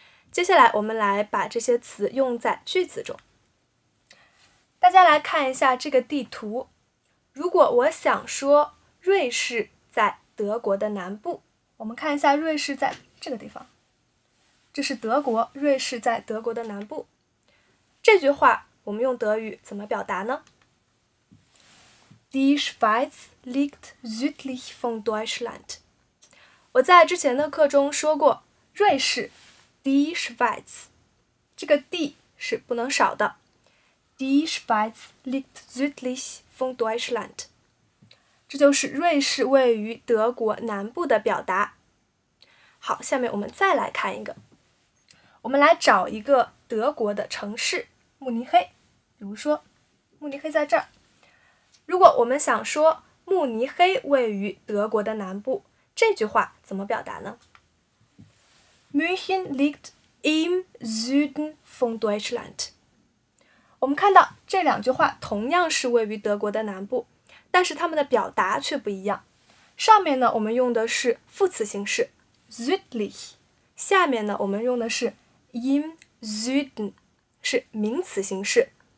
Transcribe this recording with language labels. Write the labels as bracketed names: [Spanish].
[Chinese] 接下来我们来把这些词用在句子中。大家来看一下这个地图，如果我想说瑞士在德国的南部，我们看一下瑞士在这个地方，这是德国，瑞士在德国的南部。这句话我们用德语怎么表达呢？ [German] Die Schweiz liegt südlich von Deutschland。 [Chinese] 我在之前的课中说过，瑞士 Die Schweiz， 这个 D 是不能少的。 [German] Die Schweiz liegt südlich von Deutschland， [Chinese] 这就是瑞士位于德国南部的表达。好，下面我们再来看一个，我们来找一个德国的城市慕尼黑，比如说慕尼黑在这儿。如果我们想说慕尼黑位于德国的南部，这句话怎么表达呢？ [German] München liegt im Süden von Deutschland。 [Chinese] 我们看到这两句话同样是位于德国的南部，但是它们的表达却不一样。上面呢，我们用的是副词形式 südlich， 下面呢，我们用的是 im Süden， 是名词形式。